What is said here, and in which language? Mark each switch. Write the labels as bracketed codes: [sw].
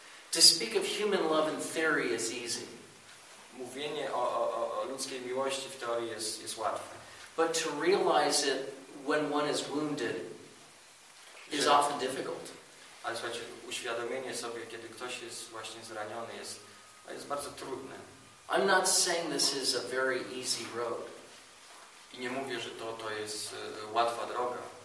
[en] To speak of human love in theory is easy. [pl] Mówienie o ludzkiej miłości w teorii jest łatwe. [en] But to realize it when one is wounded is often difficult. [pl] Ale słuchajcie, uświadomienie sobie, kiedy ktoś jest właśnie zraniony, jest bardzo trudne. [en] I'm not saying this is a very easy road. [pl] I nie mówię, że to jest łatwa droga.